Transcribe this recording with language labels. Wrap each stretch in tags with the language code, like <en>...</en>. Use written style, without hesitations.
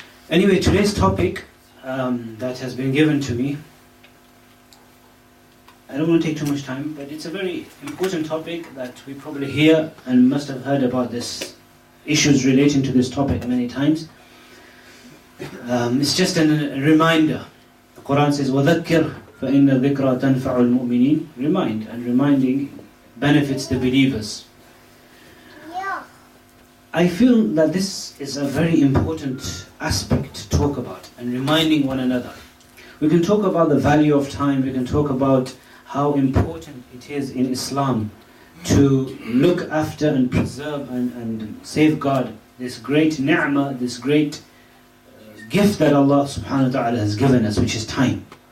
<en>Anyway, today's topic that has been given to me, I don't want to take too much time, but it's a very important topic that we probably hear and must have heard about this, issues relating to this topic many times. It's just a reminder. The Quran says,</en> <ar>وَذَكِّرْ فَإِنَّ ذِكْرَ تَنْفَعُ الْمُؤْمِنِينَ.</ar> <en>Remind, and reminding benefits the believers. I feel that this is a very important aspect to talk about, and reminding one another. We can talk about the value of time, we can talk about how important it is in Islam to look after and preserve and safeguard this great ni'mah, this great gift that Allah subhanahu wa ta'ala has given us, which is time.</en>